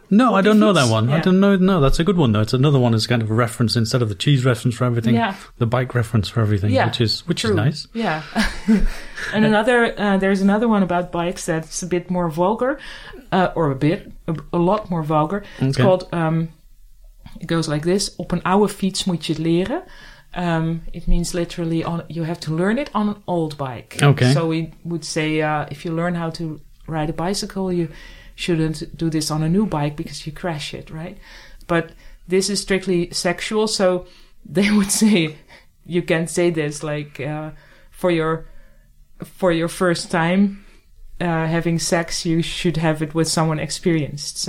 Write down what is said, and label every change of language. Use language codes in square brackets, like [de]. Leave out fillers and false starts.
[en] No, I don't know that one. Yeah. I don't know. No, that's a good one, though. It's another one. It's kind of a reference instead of the cheese reference for everything. Yeah. The bike reference for everything, yeah, which is nice. Yeah. And another, there's another one about bikes that's a bit more vulgar, a lot more vulgar. Okay. It's called, it goes like this, [nl] op een oude fiets moet je het leren. [en] It means literally, you have to learn it on an old bike. Okay. So we would say, if you learn how to ride a bicycle, you shouldn't do this on a new bike because you crash it, right? But this is strictly sexual, so they would say, you can't say this, like, for your first time having sex, you should have it with someone experienced.